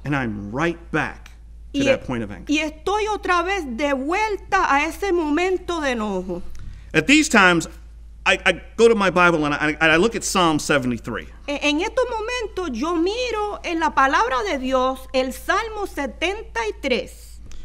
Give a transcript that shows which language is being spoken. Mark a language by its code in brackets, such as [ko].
[en] And I'm right back to that point of anger. [es] Y estoy otra vez de vuelta a ese momento de enojo. [en] At these times, I go to my Bible and I look at Psalm 73. [es] En estos momentos, yo miro en la palabra de Dios, el Salmo 73.